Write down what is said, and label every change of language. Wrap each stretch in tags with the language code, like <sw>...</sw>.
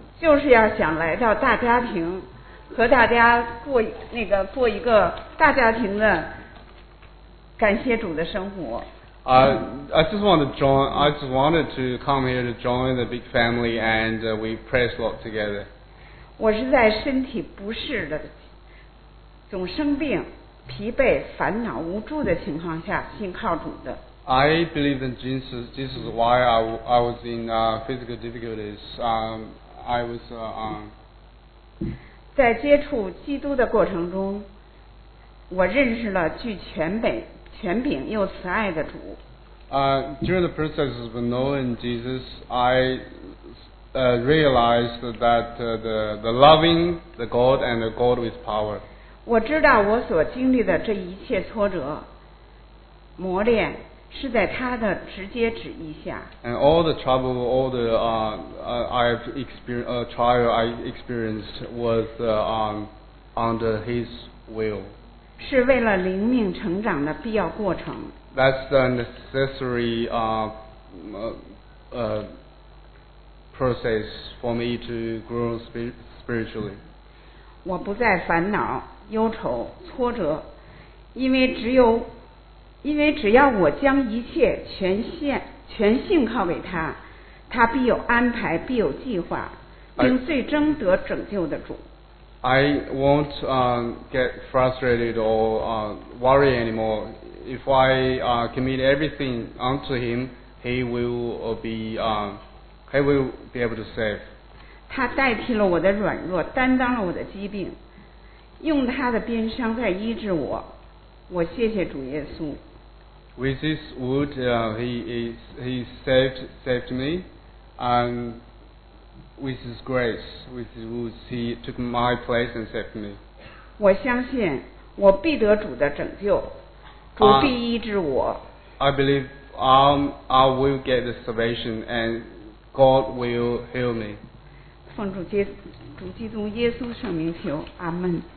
<zh>就是要想来到大家庭，和大家过那个过一个大家庭的感谢主的生活。</zh> <en>I just wanted to come here to join the big family and we praise Lord together.</en> <zh>我是在身体不适的总生病疲惫烦恼无助的情况下信靠主的。</zh> <en>I believe in Jesus while I was in physical difficulties. I was</en> <zh>在接触基督的过程中我认识了具全美全柄又慈爱的主。</zh> <en>During the process of knowing Jesus, I realized that the loving the God and the God with power.</en> <zh>我知道我所经历的这一切挫折、磨练是在他的直接旨意下。</zh> <en>And all the trouble, all the I experienced was under His will.</en> <zh>是为了灵命成长的必要过程。</zh> <en>That's the necessary process for me to grow spiritually.</en> <zh>我不再烦恼、忧愁、挫折，因为只要我将一切全信靠给他，他必有安排，必有计划，并最终得拯救的主。</zh> <en>I won't get frustrated or worry anymore. If I commit everything unto Him, He will be able to save.</en> <zh>他代替了我的软弱，担当了我的疾病，用他的鞭伤在医治我。我谢谢主耶稣。</zh> <en>With His wound, He saved me, and. With His grace, with His wounds, He took my place and saved me.</en> <zh>我相信我必得主的拯救，主必医治我。</zh> <en>I believe I will get the salvation and God will heal me.</en> <zh>奉主基督耶稣圣名求，阿门。</zh>